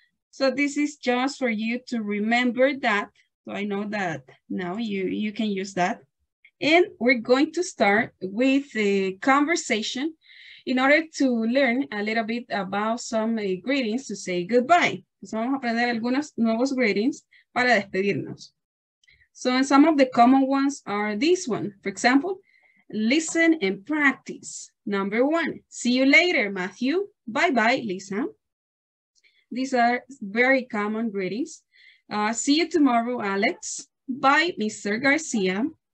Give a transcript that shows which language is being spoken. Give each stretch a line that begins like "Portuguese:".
English: So this is just for you to remember that. So I know that now you can use that. And we're going to start with a conversation in order to learn a little bit about some greetings to say goodbye.
Spanish: So vamos a aprender algunos nuevos greetings para despedirnos.
English: So some of the common ones are this one. For example, listen and practice. Number one, see you later, Matthew. Bye-bye, Lisa. These are very common greetings. See you tomorrow, Alex. Bye, Mr. Garcia.